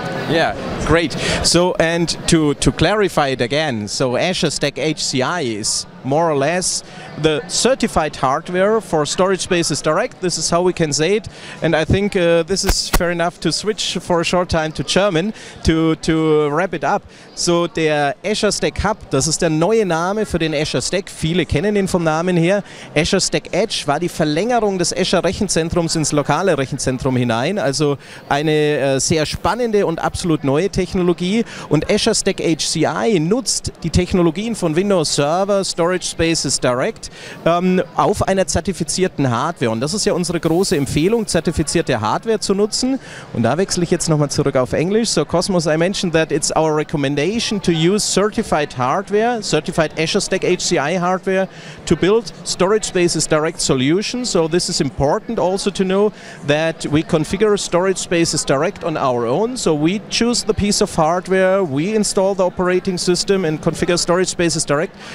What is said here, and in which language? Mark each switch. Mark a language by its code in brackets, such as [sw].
[en] Yeah, great. So, and to clarify it again, so Azure Stack HCI is more or less the certified hardware for Storage Spaces Direct. This is how we can say it. And I think this is fair enough to switch for a short time to German to wrap it up. [de] So der Azure Stack Hub, das ist der neue Name für den Azure Stack. Viele kennen ihn vom Namen her. Azure Stack Edge war die Verlängerung des Azure Rechenzentrums ins lokale Rechenzentrum hinein. Also eine sehr spannende und absolut neue Technologie. Und Azure Stack HCI nutzt die Technologien von Windows Server, Storage Spaces Direct auf einer zertifizierten Hardware. Und das ist ja unsere große Empfehlung, zertifizierte Hardware zu nutzen. Und da wechsle ich jetzt nochmal zurück auf Englisch. [en] So, Cosmos, I mentioned that it's our recommendation to use certified hardware, certified Azure Stack HCI hardware, to build Storage Spaces Direct solutions. So this is important also to know that we configure Storage Spaces Direct on our own. So we choose the piece of hardware, we install the operating system and configure Storage Spaces Direct.